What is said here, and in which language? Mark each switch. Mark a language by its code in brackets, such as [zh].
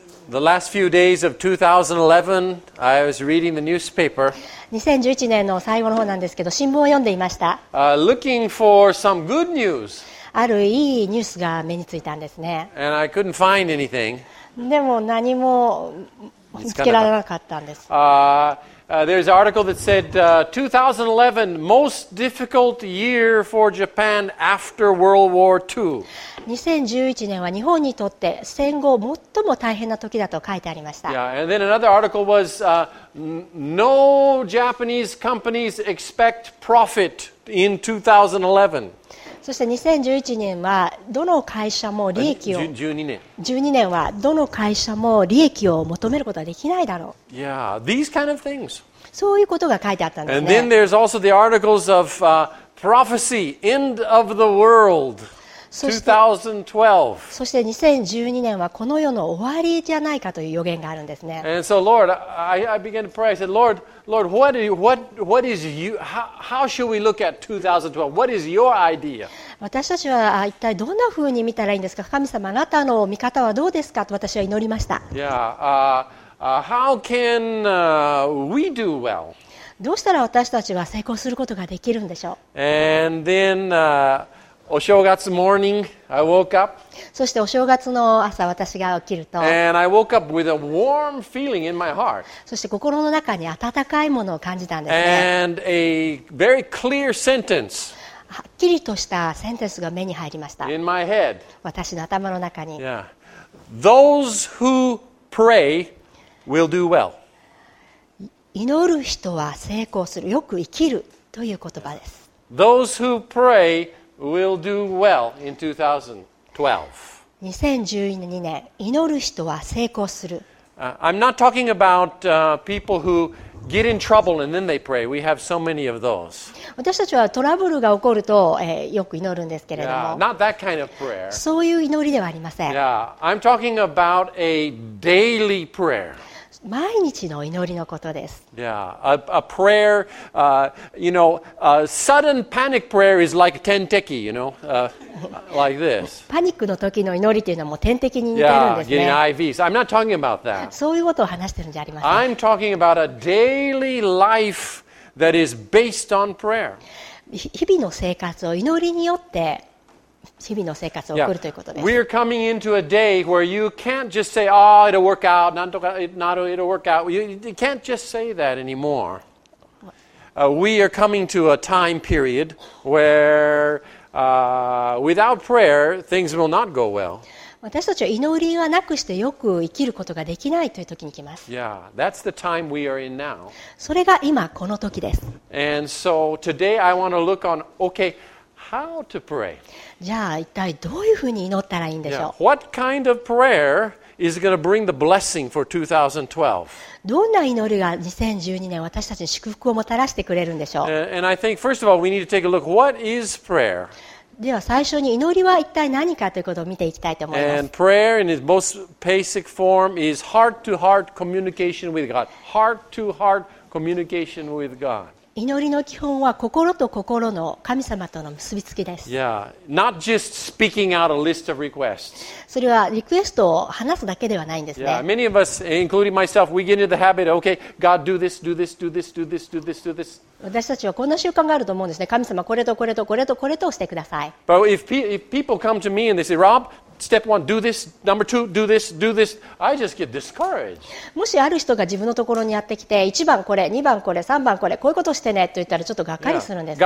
[en] The last few days of 2011, I was reading the newspaper. [ja] 2011年の最後の方なんですけど、新聞を読んでいました。 [en] Looking for some good news. [ja] あるいいニュースが目についたんですね。 [en] And I couldn't find anything. [ja] でも何も見つけられなかったんです。 [en] There's an article that said 2011 most difficult year for Japan after World War II. [ja] 2011年は日本にとって戦後最も大変な時だと書いてありました。 [en] Yeah, and then another article was no Japanese companies expect profit in 2011. [ja] そして2011年はどの会社も利益を12年はどの会社も利益を求めることはできないだろう。 [en] Yeah, these kind of things. [ja] そういうことが書いてあったんですね。 [en] And then there's also the articles of prophecy, end of the world, 2012. [ja] そして2012年はこの世の終わりじゃないかという予言があるんですね。 [en] And so, Lord, I began to pray. I said, Lord. Lord, what is you? How should we look at 2012? What is your idea? [ja] 私たちは一体どんな風に見たらいいんですか？神様、あなたの見方はどうですか？と私は祈りました。 [en] Yeah, how can we do well? [ja] どうしたら私たちは成功することができるんでしょう？ [en] And then, お正月 morning, I woke up. [ja] そしてお正月の朝私が起きると [en] And I woke up with a warm feeling in my heart. [ja] そして心の中に温かいものを感じたんですね。 [en] And a very clear sentence. [ja] はっきりとしたセンテンスが目に入りました。 [en] In my head. [ja] 私の頭の中に [en] Yeah. Those who pray will do well. [ja] 祈る人は成功する、よく生きるという言葉です。 [en] Those who prayWill do well in 2012. 2012年、祈る人は成功する。 I'm not talking about people who get in trouble and then they pray. We have so many of those. [ja] 私たちはトラブルが起こると、よく祈るんですけれども。 [en] Yeah, not that kind of prayer. [ja] そういう祈りではありません。 [en] Yeah, I'm talking about a daily prayer. [ja] 毎日の祈りのことです。 [en] Yeah, a prayer, you know, a sudden panic prayer is like 10 tiki, you know, like this. [ja] パニックの時の祈りというのはもう点滴に似てるんですね。 [en] Yeah, getting IVs. I'm not talking about that. [ja] そういうことを話してるんじゃありません。 [en] I'm talking about a daily life that is based on prayer. [ja] 日々の生活を祈りによって日々の生活を送るということです。 [en] We are coming into a day where you can't just say, "Oh, it'll work out." It'll work out. You can't just say that anymore. We are coming to a time period where, without prayer, things will not go well. [ja] 私たちは祈りがなくしてよく生きることができないという時に来ます。 [en] Yeah, that's the time we are in now. [ja] それが今この時です。 [en] And so today I want to look on, okay. How to pray. [ja] じゃあ一体どういうふうに祈ったらいいんでしょう。 [en] Yeah. What kind of prayer is going to bring the blessing for 2012? [ja] どんな祈りが2012年私たちに祝福をもたらしてくれるんでしょう。 [en] And I think first of all we need to take a look what is prayer? [ja] では最初に祈りは一体何かということを見ていきたいと思います。 [en] And prayer in its most basic form is heart to heart communication with God. Heart to heart communication with God. [ja] 祈りの基本は心と心の神様との結びつきです。 [en] Yeah, not just speaking out a list of requests. [ja] それはリクエストを話すだけではないんですね。 [en] Yeah, many of us, including myself, we get into the habit, okay, God, do this, do this, do this, do this, do this, do this. [ja] 私たちはこんな習慣があると思うんですね。神様、これとこれとこれとこれとしてください。 [en] But if people come to me and they say, Rob,Step one, do this. Number two, do this. Do this. I just get discouraged. [ja] もしある人が自分のところにやってきて、1番これ、2番これ、3番これ、こういうことしてねと言ったらちょっとがっかりするんですね。